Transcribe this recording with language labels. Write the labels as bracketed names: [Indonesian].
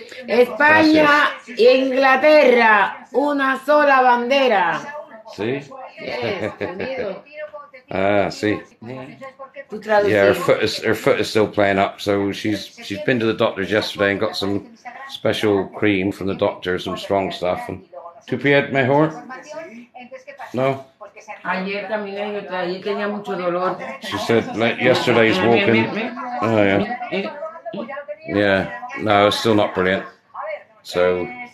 [Spanish] España e Inglaterra, una sola bandera. Sí. [English] Yes. Ah, see. [Spanish] Sí. [English] Yeah, her foot is still playing up. So she's been to the doctor's yesterday and got some special cream from the doctor, some strong stuff. [Spanish] And tu pie mejor? No. Ayer caminé y tenía mucho dolor. [English] She said yesterday's walking. Oh yeah. Yeah. No, it's still not brilliant. So.